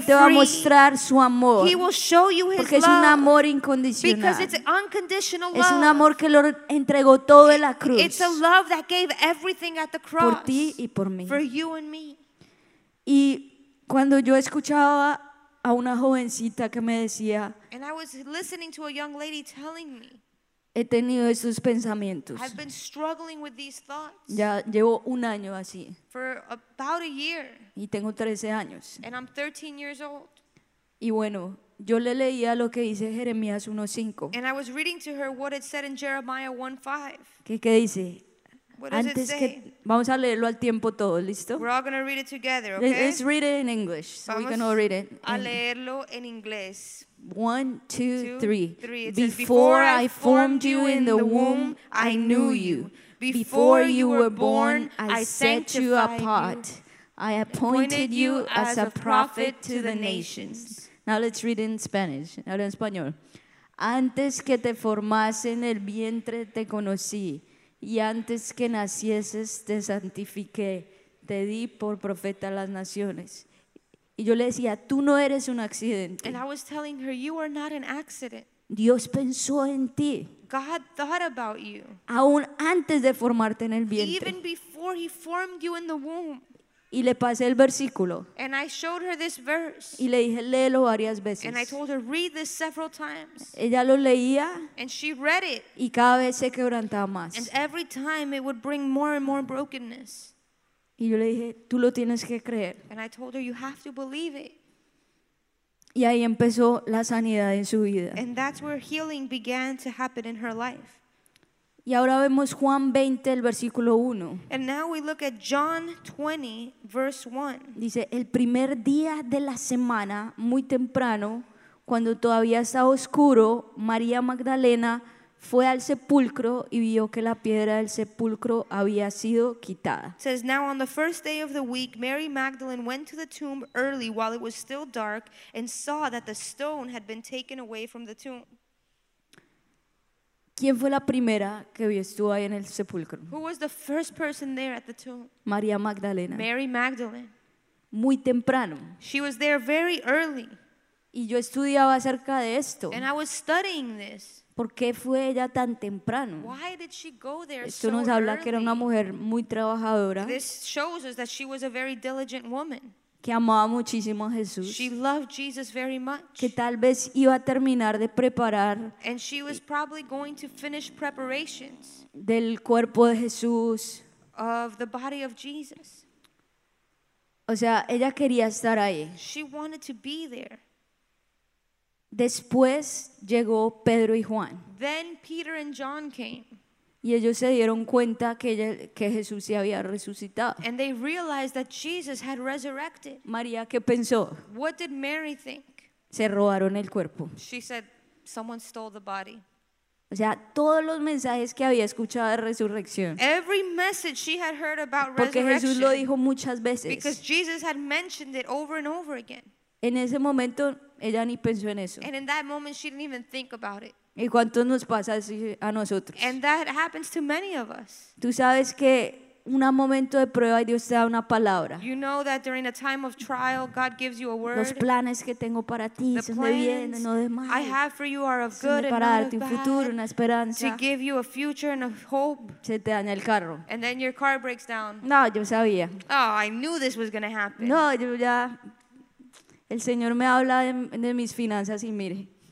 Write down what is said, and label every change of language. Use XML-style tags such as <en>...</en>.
<es>free. Él te va a mostrar su amor.</es> <en>He will show you his</en> <es>porque Porque es un amor incondicional.</es> <en>Because it's unconditional love.</en> <es>Es un amor que lo entregó todo en la cruz.</es> <en>It's a love that gave everything at the cross.</en> <es>Por ti y por mí.</es> <en>For you and me.</en> <es>Y cuando yo escuchaba a una jovencita que me decía.</es> <en>And I was listening to a young lady telling me.</en> <es>He tenido esos pensamientos.</es> <en>I've been struggling with these thoughts.</en> <es>Ya llevo un año así.</es> <en>For about a year.</en> <es>Y tengo 13 años.</es> <en>And I'm 13 years old.</en> <es>Y bueno, yo le leía lo que dice Jeremías 1:5.</es> <en>And I was reading to her what it said in Jeremiah 1:5.</en> <es>¿Qué dice?</es> <en>What</en> <es>Antes</es> <en>does it</en> <es>que,</es> <en>say?</en> <es>Vamos a leerlo al tiempo todo, ¿listo?</es> <en>We're all going to read it together, okay? Let's read it in English. So</en> <es>vamos</es> <en>we can all read it.</en> <es>A leerlo en inglés.</es> <en>1, 2, 3. Before I formed you in the womb, I knew you. Before you were born, I set you apart. I appointed you as a prophet to the nations. Now let's read in Spanish.</en> <es>Ahora en español. Antes que te formase en el vientre te conocí, y antes que nacieses te santifiqué, te di por profeta a las naciones. Y yo le decía, tú no eres un accidente.</es> <en>And I was telling her, you are not an accident.</en> <es>Dios pensó en ti.</es> <en>God thought about you.</en> <es>Aún antes de formarte en el vientre.</es> <en>Even before he formed you in the womb.</en> <es>Y le pasé el versículo.</es> <en>And I showed her this verse.</en> <es>Y le dije, léelo varias veces.</es> <en>And I told her, read this several times.</en> <es>Ella lo leía.</es> <en>And she read it.</en> <es>Y cada vez se quebrantaba más.</es> <en>And every time it would bring more and more brokenness.</en> <es>Y yo le dije, tú lo tienes que creer.</es> <en>And I told her, you have to believe it.</en> <es>Y ahí empezó la sanidad en su vida.</es> <en>And that's where healing began to happen in her life.</en> <es>Y ahora vemos Juan 20, el versículo 1.</es> <en>And now we look at John 20, verse 1.</en> <es>Dice, el primer día de la semana, muy temprano, cuando todavía estaba oscuro, María Magdalena fue al sepulcro y vio que la piedra del sepulcro había sido quitada.</es> <en>It says, now on the first day of the week, Mary Magdalene went to the tomb early while it was still dark and saw that the stone had been taken away from the tomb.</en> <es>¿Quién fue la primera que estuvo ahí en el sepulcro?</es> <en>Who was the first person there at the tomb?</en> <es>María Magdalena.</es> <en>Mary Magdalene.</en> <es>Muy temprano.</es> <en>She was there very early.</en> <es>Y yo estudiaba acerca de esto.</es> <en>And I was studying this.</en> <es>¿Por qué fue ella tan temprano?</es> <en>Why did she go there so early?</en> <es>Esto nos habla que era una mujer muy trabajadora.</es> <en>This shows us that she was a very diligent woman.</en> <es>Que amaba muchísimo a Jesús.</es> <en>She loved Jesus very much.</en> <es>Que tal vez iba a terminar de preparar.</es> <en>And she was probably going to finish preparations.</en> <es>Del cuerpo de Jesús.</es> <en>Of the body of Jesus.</en> <es>O sea, ella quería estar ahí.</es> <en>She wanted to be there.</en> <es>Después llegó Pedro y Juan.</es> <en>Then Peter and John came.</en> <es>Y ellos se dieron cuenta que Jesús se había resucitado.</es> <en>And they realized that Jesus had resurrected.</en> <es>María, ¿qué pensó?</es> <en>What did Mary think?</en> <es>Se robaron el cuerpo.</es> <en>She said, someone stole the body.</en> <es>O sea, todos los mensajes que había escuchado de resurrección.</es> <en>Every message she had heard about resurrection.</en> <es>Porque Jesús lo dijo muchas veces.</es> <en>Because Jesus had mentioned it over and over again.</en> <es>En ese momento ella ni pensó en eso.</es> <en>And in that moment she didn't even think about it.</en> <es>¿Y cuánto nos pasa así a nosotros?</es> <en>And that happens to many of us.</en> <es>Tú sabes que un momento de prueba y Dios te da una palabra.</es> <en>You know that during a time of trial God gives you a word.</en> <es>Los planes que tengo para ti son de bien, no de mal.</es> <en>I have for you are of good and not of bad.</en> <es>Un futuro, una esperanza.</es> <en>To give you a future and a hope.</en> <es>Se te daña el carro.</es> <en>And then your car breaks down.</en> <es>No, yo sabía.</es> <en>Oh, I knew this was going to happen.</en> <es>No, yo ya. El Señor me habla de mis finanzas y mire.</es>